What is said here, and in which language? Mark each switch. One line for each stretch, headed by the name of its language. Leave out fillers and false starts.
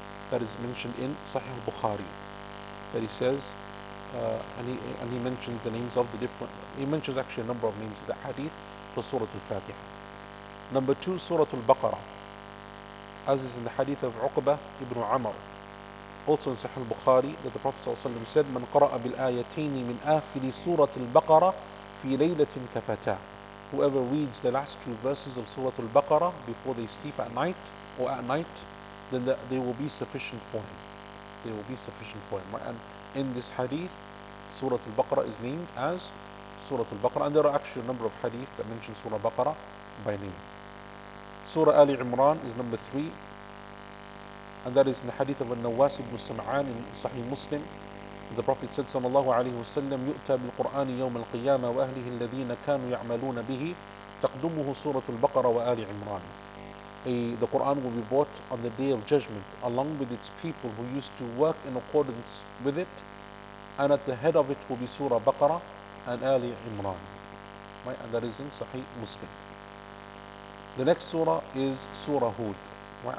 English: That is mentioned in Sahih Bukhari. That he says, and he mentions the names of the different, he mentions actually a number of names of the hadith for Surah Al-Fatiha. Number 2, Surah Al-Baqarah, as is in the hadith of Uqbah ibn Amr. Also in Sahih Bukhari, that the Prophet ﷺ said,
Arabic: من قرأ بالآيتين من آخر سورة البقرة في ليلة كفتا.
English: Whoever reads the last two verses of Surah Al-Baqarah before they sleep at night, or at night, then they will be sufficient for him. They will be sufficient for him. And in this hadith, Surah Al-Baqarah is named as Surah Al-Baqarah. And there are actually a number of hadith that mention Surah Baqarah by name. Surah Ali Imran is number 3. And that is in the hadith of Al-Nawas ibn Sam'an in Sahih Muslim. The Prophet said,
Arabic: sallallahu alayhi wa sallam, يُؤْتَى بِالْقُرْآنِ يَوْمَ الْقِيَامَةِ وَأَهْلِهِ الَّذِينَ كَانُوا يَعْمَلُونَ بِهِ تَقْدُمُهُ سُورَةُ الْبَقَرَةِ وَآلِ عِمْرَانِ.
English: The Quran will be brought on the day of judgment along with its people who used to work in accordance with it, and at the head of it will be Surah Baqarah and Ali Imran. Right? And that is in Sahih Muslim. The next surah is Surah Hud. Right?